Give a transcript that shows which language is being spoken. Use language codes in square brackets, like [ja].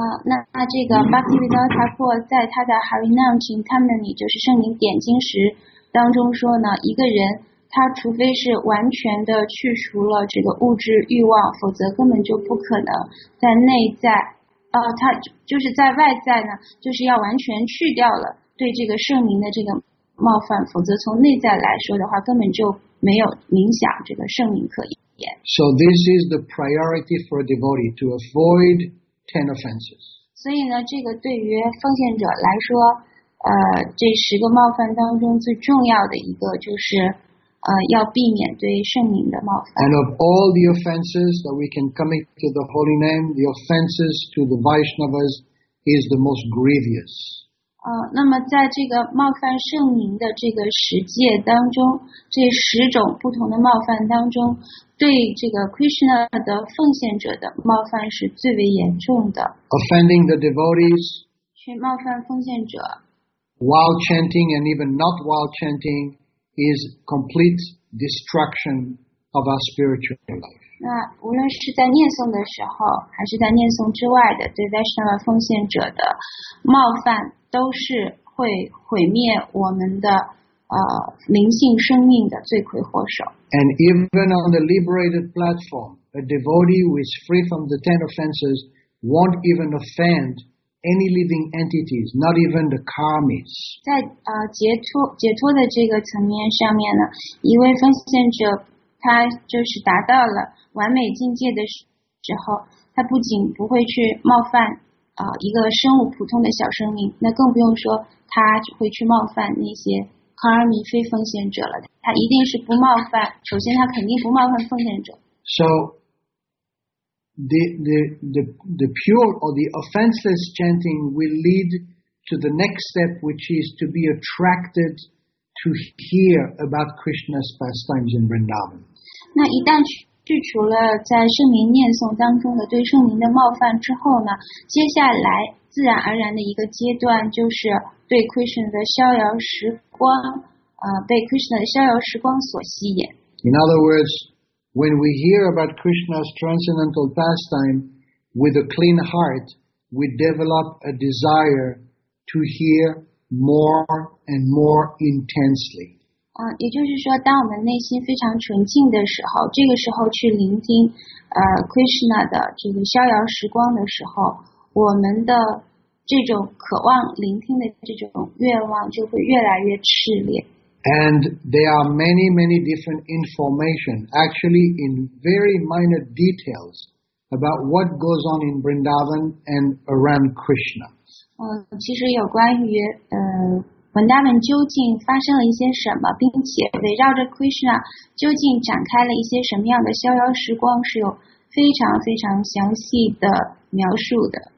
[zh] 那这个 Bhaktivinoda Thakur 在他的 Harinam Chintamani 就是圣灵点睛时当中说呢，一个人他除非是完全的去除了这个物质欲望，否则根本就不可能在内在，他就是在外在呢，就是要完全去掉了对这个圣名的这个冒犯，否则从内在来说的话，根本就没有冥想这个圣名可言。 [en] So this is the priority for a devotee to avoid 10 offenses. [zh] 所以呢，这个对于奉献者来说，这十个冒犯当中最重要的一个就是。要避免对圣名的冒犯。 [en] And of all the offenses that we can commit to the holy name, the offenses to the Vaishnavas is the most grievous. [zh] 那么在这个冒犯圣名的这个十戒当中，这十种不同的冒犯当中，对这个 Krishna 的奉献者的冒犯是最为严重的。 [en] Offending the devotees, [zh] 去冒犯奉献者。 [en] While chanting and even not while chanting,is complete destruction of our spiritual life. [zh] 那无论是在念诵的时候，还是在念诵之外的对 Vaishnava 奉献者的冒犯，都是会毁灭我们的灵性生命的罪魁祸首。 [en] And even on the liberated platform, a devotee who is free from the ten offenses won't even offend. Any living entities, not even the karmis. [zh] 在解脱的这个层面上面呢，一位奉献者他就是达到了完美境界的时候，他不仅不会去冒犯一个生物普通的小生命，那更不用说他会去冒犯那些卡尔米非奉献者了。他一定是不冒犯，首先他肯定不冒犯奉献者。 [en] So the pure or the offenseless chanting will lead to the next step, which is to be attracted to hear about Krishna's pastimes in Vrindavan. [zh] 那一旦去除了在圣名念诵当中的对圣名的冒犯之后呢，接下来自然而然的一个阶段就是对 Krishna 的逍遥时光，被 Krishna 的逍遥时光所吸引。 [en] In other words, when we hear about Krishna's transcendental pastime with a clean heart, we develop a desire to hear more and more intensely. [zh] 也就是说当我们内心非常纯净的时候，这个时候去聆听Krishna 的这个逍遥时光的时候，我们的这种渴望聆听的这种愿望就会越来越炽烈。 [en] And there are many many different information actually in very minor details about what goes on in Vrindavan and around Krishna. [zh] 其实有关于文达文究竟发生了一些什么，并且围绕着 Krishna 究竟展开了一些什么样的逍遥时光，是有非常非常详细的描述的。